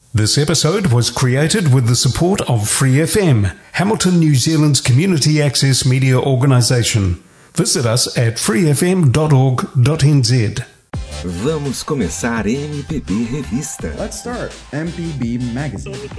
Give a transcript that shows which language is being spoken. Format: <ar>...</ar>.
<en>This episode was created with the support of Free FM, Hamilton, New Zealand's community access media organisation. Visit us at freefm.org.nz.</en> <pt>Vamos começar MPB Revista.</pt> <en>Let's start MPB Magazine.</en>